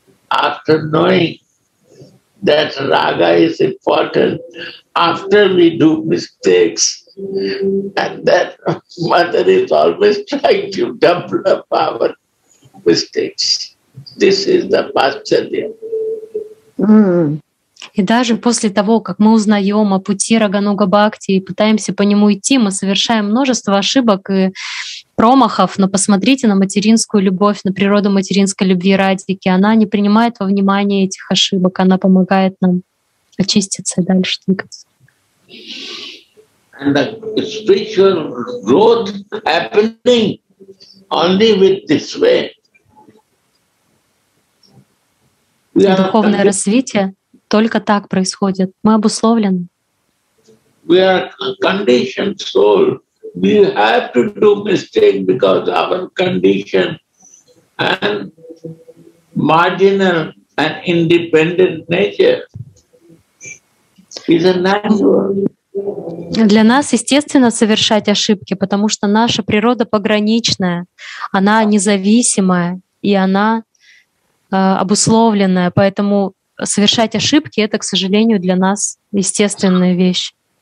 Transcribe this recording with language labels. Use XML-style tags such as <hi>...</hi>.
<en>After knowing that raga is important, after we do mistakes. And that mother is always trying to double up our mistakes. This is the vatsalya.</en> <ru>И даже после того, как мы узнаем о пути Рагануга Бхакти и пытаемся по нему идти, мы совершаем множество ошибок и промахов, но посмотрите на материнскую любовь, на природу материнской любви Радики. Она не принимает во внимание этих ошибок, она помогает нам очиститься и дальше двигаться.</ru> <en>And the spiritual growth happening only with this way.</en> <ru>Духовное развитие только так происходит. Мы обусловлены.</ru> <en>We are a conditioned soul. We have to do mistakes because our condition and marginal and independent nature is a natural.</en> <ru>Для нас естественно совершать ошибки, потому что наша природа пограничная, она независимая и она обусловленная, поэтому совершать ошибки — это, к сожалению, для нас естественная вещь.</ru>